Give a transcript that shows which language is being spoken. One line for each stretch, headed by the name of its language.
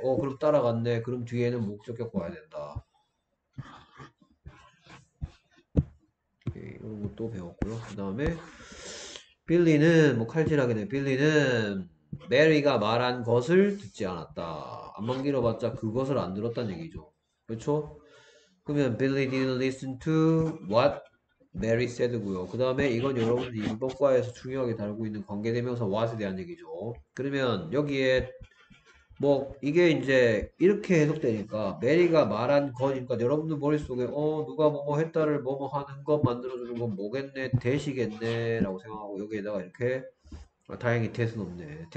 Korean: 그럼 따라갔네. 그럼 뒤에는 목적격 봐야 된다. 이런 것도 배웠고요. 그다음에 빌리는 뭐 칼질하게 돼. 빌리는 메리가 말한 것을 듣지 않았다. 안만 길어봤자 그것을 안 들었단 얘기죠. 그렇죠? 그러면
English: Billy didn't listen to what Mary said고요.
Korean: 그 다음에 이건 여러분들이 문법과에서 중요하게 다루고 있는 관계대명사 what에 대한 얘기죠. 그러면 여기에 뭐 이게 이제 이렇게 해석되니까 메리가 말한 것이니까 여러분들 머릿속에 누가 뭐뭐 했다를 뭐뭐 하는 것 만들어주는 건 뭐겠네 되시겠네 라고 생각하고 여기에다가 이렇게 다행히 that은 없네.